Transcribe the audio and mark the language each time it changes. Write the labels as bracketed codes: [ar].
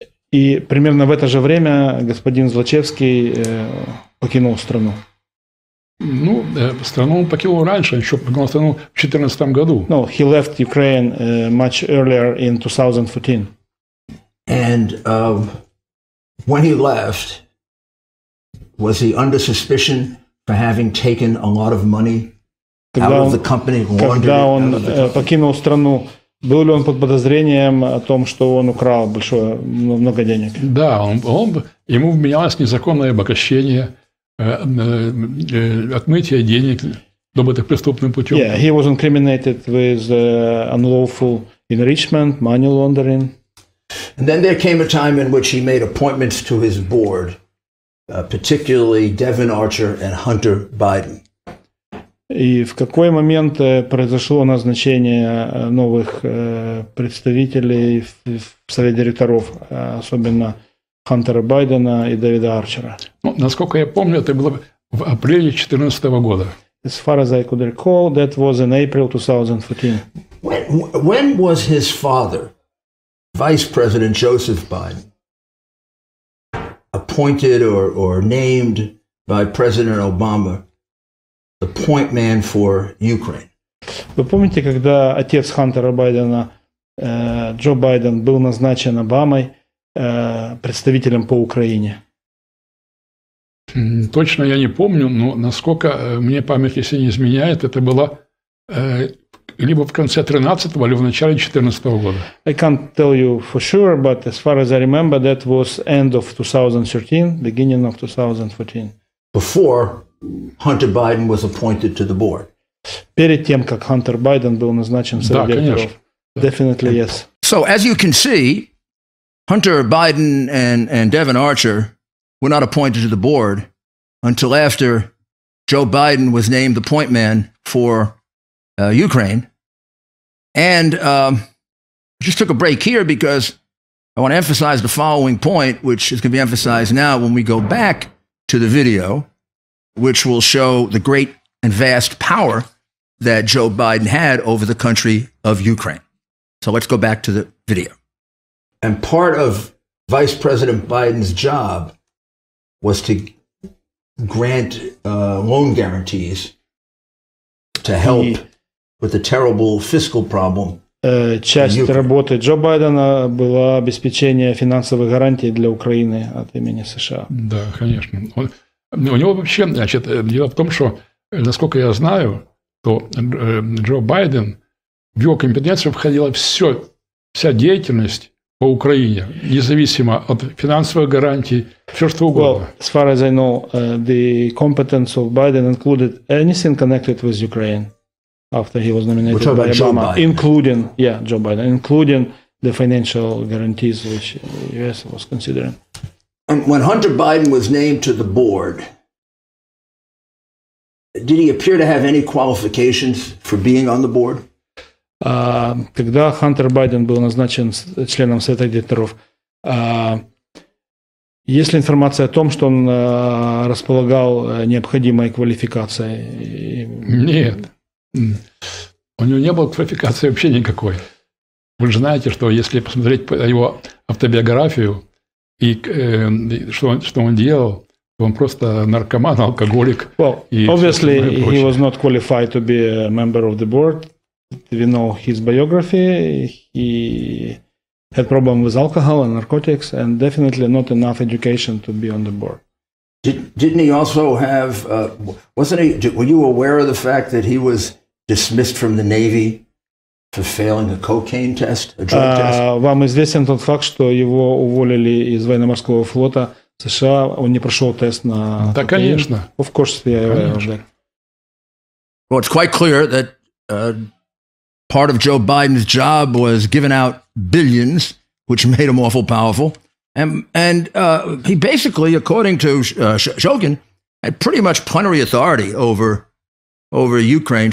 [ru] И примерно в это же время господин Злачевский покинул страну. Ну, страну он покинул раньше, еще покинул страну в 2014 году. [en] No, he left Ukraine much earlier in 2014. And when he left, was he under suspicion for having taken a lot of money out of the company, laundered out of the company? [ru] Когда он покинул страну, был ли он под подозрением о том, что он украл большое, много денег? Да, он ему вменялось незаконное обогащение, отмытие денег, добытых преступным путем. [en] Yeah, he was incriminated with unlawful enrichment, money laundering. And then there came a time in which he made appointments to his board, particularly Devin Archer and Hunter Biden. [ru] И в какой момент произошло назначение новых представителей в совет директоров, особенно Хантера Байдена и Дэвида Арчера? Ну, насколько я помню, это было в апреле 2014 года. [en] As far as I could recall, that was in April 2014. When was his father, Vice President Joseph Biden, appointed or named by President Obama the point man for Ukraine? [ru] Вы помните, когда отец Хантера Байдена, Джо Байден, был назначен Обамой представителем по Украине? Точно я не помню, но насколько мне память, если не изменяет, это было либо в конце 13-го, либо в начале 14-го года. [en] I can't tell you for sure, but as far as I remember, that was end of 2013, beginning of 2014. Before Hunter Biden was appointed to the board. [ru] Перед тем, как Хантер Байден был назначен советником. Да, конечно. [en] Definitely, yes. So, as you can see, Hunter Biden and Devin Archer were not appointed to the board until after Joe Biden was named the point man for Ukraine. And I just took a break here because I want to emphasize the following point, which is going to be emphasized now when we go back to the video, which will show the great and vast power that Joe Biden had over the country of Ukraine. So let's go back to the video. And part of Vice President Biden's job was to grant loan guarantees to help with the terrible fiscal problem. [ru] Часть работы Джо Байдена была обеспечение финансовых гарантий для Украины от имени США. Да, конечно. У него вообще, значит, дело в том, что, насколько я знаю, то Джо Байден, в его компетенцию входила вся деятельность по Украине, независимо от финансовых гарантий, все что угодно. [en] Well, as far as I know, the competence of Biden included anything connected with Ukraine after he was nominated by Obama. Joe Biden. Including, yeah, Joe Biden, including the financial guarantees which the US was considering. And when Hunter Biden was named to the board, did he appear to have any qualifications for being on the board? [ru] Когда Хантер Байден был назначен членом совета директоров, есть ли информация о том, что он располагал необходимой квалификацией? Нет. У него не было квалификации вообще никакой. Вы же знаете, что если посмотреть его автобиографию и что он делал, он просто наркоман, алкоголик. [en] Well, obviously, he was not qualified to be a member of the board. We know his biography. He had problems with alcohol and narcotics, and definitely not enough education to be on the board. Didn't he also have? Were you aware of the fact that he was dismissed from the Navy for failing a cocaine test, a drug test? [ru] Вам известен тот факт, что его уволили из военно-морского флота США. Он не прошел тест на. Да, конечно. [en] Of course, yeah. Well, it's quite clear that part of Joe Biden's job was giving out billions, which made him awful powerful. And he basically, according to Shokin, had pretty much plenary authority over Ukraine.